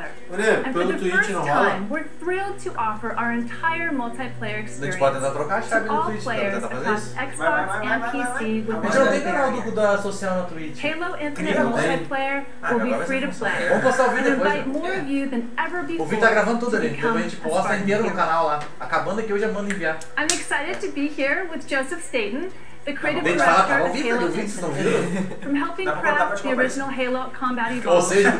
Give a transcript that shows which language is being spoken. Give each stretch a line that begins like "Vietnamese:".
English: We're thrilled to offer our entire multiplayer experience to all players across Xbox and PC with Halo Infinite multiplayer will be free to play. And invite more of you than ever before.
Portuguese: O Vitor tá gravando tudo ali, a gente posta inteiro no canal lá. Acabando aqui, eu já mando enviar.
English: I'm excited to be here with Joseph Staten, the creative director of Halo Infinite, from helping craft the original Halo combat evolution,